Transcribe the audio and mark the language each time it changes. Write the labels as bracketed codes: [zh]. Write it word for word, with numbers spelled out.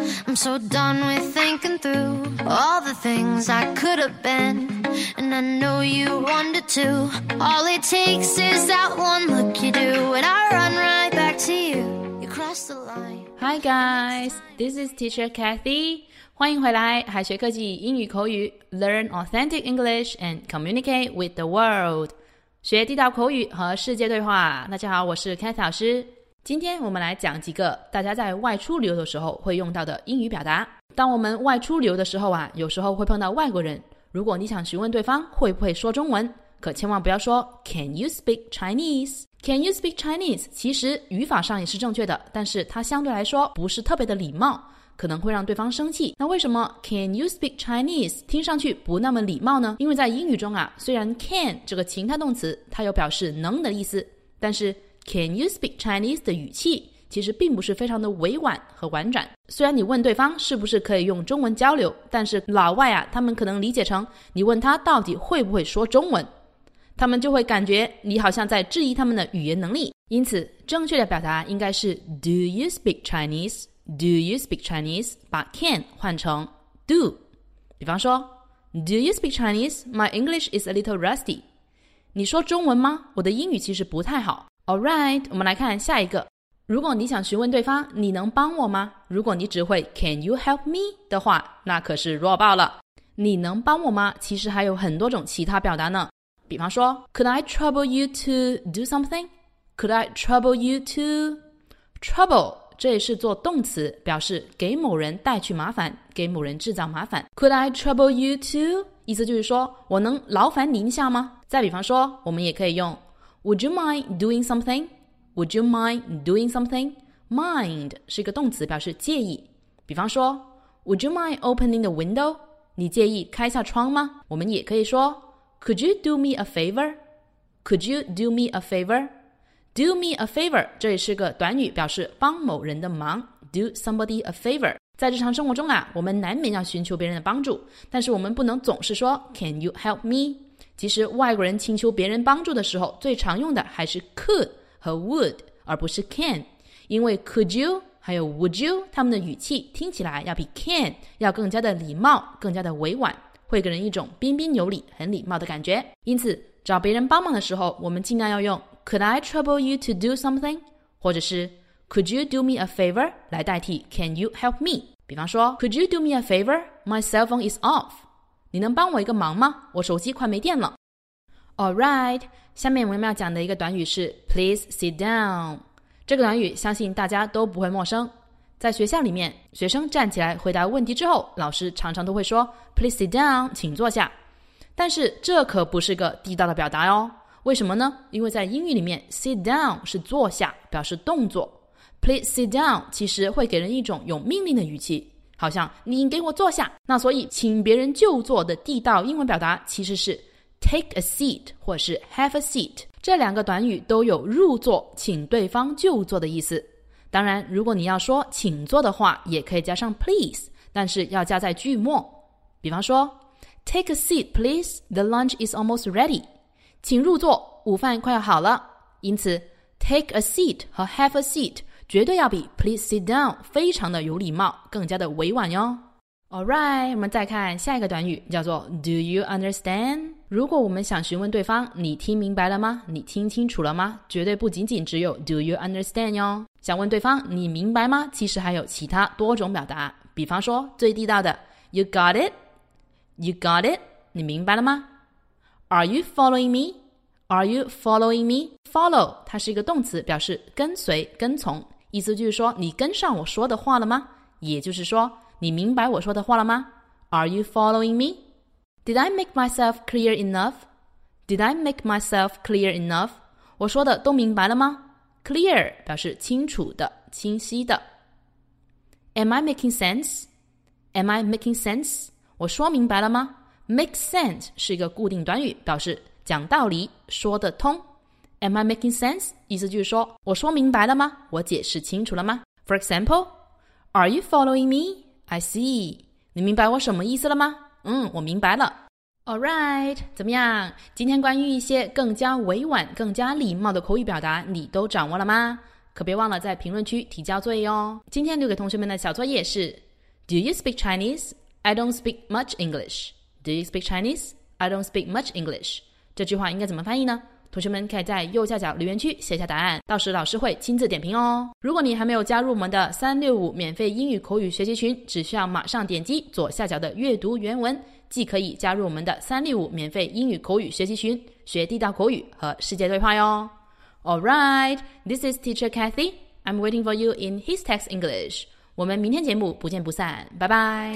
[en] I'm so done with thinking through all the things I could have been, and I know you wanted to. All it takes is that one look you do, and I run right back to you. You cross the line. Hi guys, this is Teacher Kathy. [zh] 欢迎回来，海学科技英语口语 ， [en] Learn authentic English and communicate with the world， [zh] 学地道口语和世界对话。大家好，我是 Kathy 老师。今天我们来讲几个大家在外出旅游的时候会用到的英语表达。当我们外出旅游的时候啊，有时候会碰到外国人。如果你想询问对方会不会说中文，可千万不要说 [en] Can you speak Chinese? Can you speak Chinese? [zh] 其实语法上也是正确的，但是它相对来说不是特别的礼貌，可能会让对方生气。那为什么 [en] Can you speak Chinese [zh] 听上去不那么礼貌呢？因为在英语中啊，虽然 can 这个情态动词它有表示能的意思，但是 Can you speak Chinese 的语气其实并不是非常的委婉和婉转。虽然你问对方是不是可以用中文交流，但是老外啊，他们可能理解成你问他到底会不会说中文，他们就会感觉你好像在质疑他们的语言能力。因此正确的表达应该是 [en] Do you speak Chinese? Do you speak Chinese? [zh] 把 can 换成 do。比方说 [en] Do you speak Chinese? My English is a little rusty。 [zh] 你说中文吗？我的英语其实不太好。 Alright, 我们来看下一个。如果你想询问对方你能帮我吗？如果你只会 [en] Can you help me? [zh] 的话，那可是弱爆了。你能帮我吗其实还有很多种其他表达呢。 [en] 比方说 Could I trouble you to do something? Could I trouble you to [zh] Trouble这也是做动词，表示给某人带去麻烦，给某人制造麻烦。 Could I trouble you to 意思就是说我能劳烦您一下吗？再比方说我们也可以用 [en] Would you mind doing something? Would you mind doing something? [zh] Mind 是一个动词，表示介意。 [en] 比方说 Would you mind opening the window? [zh] 你介意开下窗吗？我们也可以说 [en] Could you do me a favor? Could you do me a favor? Do me a favor [zh] 这也是个短语，表示帮某人的忙。 [en] Do somebody a favor [zh] 在日常生活中啊，我们难免要寻求别人的帮助，但是我们不能总是说 [en] Can you help me? [zh] 其实外国人请求别人帮助的时候，最常用的还是 could 和 would 而不是 can， 因为 could you 还有 would you 他们的语气听起来要比 can 要更加的礼貌，更加的委婉，会给人一种彬彬有礼，很礼貌的感觉。因此找别人帮忙的时候，我们尽量要用 [en] Could I trouble you to do something? 或者是 Could you do me a favor? [zh] 来代替 [en] Can you help me? [zh] 比方说 [en] Could you do me a favor? My cell phone is off. [zh] 你能帮我一个忙吗？我手机快没电了。 Alright, 下面我们要讲的一个短语是 [en] Please sit down。 [zh] 这个短语相信大家都不会陌生。在学校里面，学生站起来回答问题之后，老师常常都会说 [en] Please sit down, [zh] 请坐下。但是这可不是个地道的表达哦。为什么呢？因为在英语里面 sit down 是坐下，表示动作。 [en] Please sit down [zh] 其实会给人一种有命令的语气，好像你给我坐下。那所以请别人就坐的地道英文表达其实是 [en] take a seat [zh] 或是 [en] have a seat， [zh] 这两个短语都有入座请对方就坐的意思。当然如果你要说请坐的话，也可以加上 please， 但是要加在句末。比方说 [en] Take a seat please, the lunch is almost ready， [zh] 请入座，午饭快要好了。因此 [en] take a seat [zh] 和 [en] have a seat [zh] 绝对要比 [en] please sit down [zh] 非常的有礼貌，更加的委婉哟。 Alright, 我们再看下一个短语，叫做 [en] Do you understand? [zh] 如果我们想询问对方你听明白了吗？你听清楚了吗？绝对不仅仅只有 [en] Do you understand [zh] 哟。想问对方你明白吗？其实还有其他多种表达。比方说最地道的 [en] You got it? You got it? [zh] 你明白了吗？ [en] Are you following me? Are you following me? [zh] Follow 它是一个动词，表示跟随跟从，意思就是说你跟上我说的话了吗？也就是说你明白我说的话了吗？ [en] Are you following me? Did I make myself clear enough? Did I make myself clear enough? [zh] 我说的都明白了吗？ Clear 表示清楚的，清晰的。 [en] Am I making sense? Am I making sense? [zh] 我说明白了吗？ [en] Make sense [zh] 是一个固定短语，表示讲道理，说得通。 [en] Am I making sense? [zh] 意思就是说我说明白了吗？我解释清楚了吗？ [en] For example, Are you following me? I see. [zh] 你明白我什么意思了吗？嗯，我明白了。 Alright, 怎么样？今天关于一些更加委婉，更加礼貌的口语表达，你都掌握了吗？可别忘了在评论区提交作业哦。今天留给同学们的小作业是 [en] Do you speak Chinese? I don't speak much English. Do you speak Chinese? I don't speak much English. [zh] 这句话应该怎么翻译呢？同学们可以在右下角留言区写下答案，到时老师会亲自点评哦。如果你还没有加入我们的三六五免费英语口语学习群，只需要马上点击左下角的阅读原文，既可以加入我们的三六五免费英语口语学习群，学地道口语和世界对话哟。 [en] Alright, this is Teacher Cathy. I'm waiting for you in His Text English. [zh] 我们明天节目不见不散，拜拜。